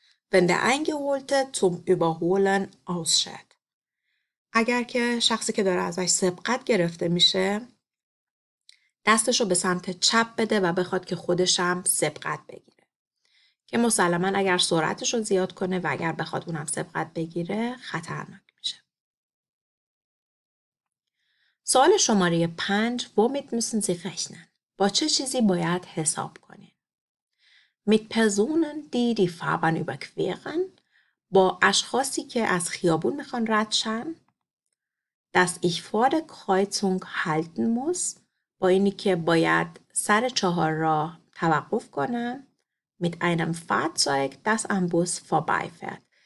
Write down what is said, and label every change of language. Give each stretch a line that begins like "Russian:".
German: Wenn der Eingeholte zum Überholen ausschert,
Persian: اگر که شخصی که داره ازش سبقت گرفته میشه دستش رو به سمت چپ بده و بخواد که خودش هم سبقت بگیره. که مسلما اگر سرعتش رو زیاد کنه و اگر بخواد اونم سبقت بگیره خطرناک میشه. سوال شماره 5:
German: Womit müssen Sie rechnen?
Persian: با چه چیزی باید حساب کنین؟
German: Mit Personen, die die Fahrbahn überqueren,
Persian: با اشخاصی که از خیابون میخوان رد شن.
German: Dass ich vor der Kreuzung halten muss,
Persian: با اینی که باید سر چهار راه توقف کنن
German: mit einem Fahrzeug, das am Bus vorbeifährt.